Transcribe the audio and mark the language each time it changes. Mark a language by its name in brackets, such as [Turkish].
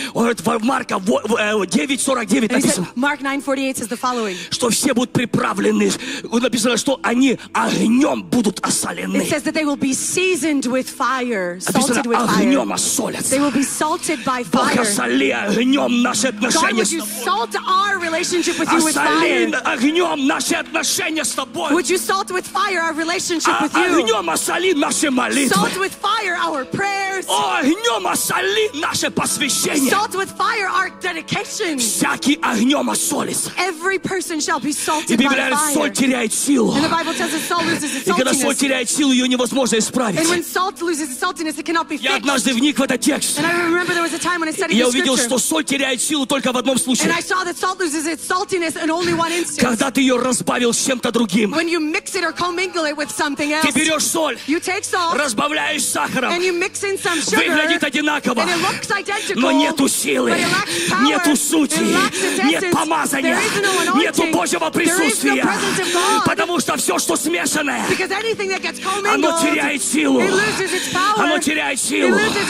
[Russian] Он говорит, в Марка 9:49 написано. [English] Mark 9:48 says the following. [Russian] Что все будут приправлены. Написано, что они огнем будут осолены. [English] It says that they will be seasoned with fire. [Russian] Написано, [English] salted with [Russian] огнем [English] fire. [Russian] Огнем осолятся. [English] They will be salted by fire. [Russian] Бог, осоли огнем наши отношения [English] God, [Russian] с тобой. [English] God, would you salt our relationship with you with fire? [Russian] Осоли огнем наши отношения с тобой. [English] Would you salt with fire our relationship with you? [Russian] Огнем осоли наши молитвы. [English] Salt with fire our prayers. [Russian] О, огнем осоли наше посвящение. [English] Salt with fire our dedication. [Russian] Всякий огнем осолится. [English] Every person shall be salted by fire. [Russian] И Библия говорит, соль теряет силу. [English] And the Bible says that salt loses its saltiness. [Russian] И когда соль теряет силу, ее невозможно исправить. [English] And when salt loses its saltiness, it cannot be fixed. [Russian] Я однажды вник в этот текст. [English] And I remember there was a time when I studied this [Russian] Я увидел, что соль теряет силу только в одном случае. [English] And I saw that salt loses its saltiness in only one instance. [Russian] Когда ты ее разбавил чем-то другим. [English] When you mix it or commingle it with something else. [Russian] Ты берешь соль. [English] You take salt. [Russian] Разбавляешь сахаром. [English] And you mix in some. [Russian] Выглядит одинаково, но нету силы, [English] power, [Russian] нету сути, нет помазания, нету Божьего присутствия, потому что все, что смешанное, оно теряет силу, оно теряет силу.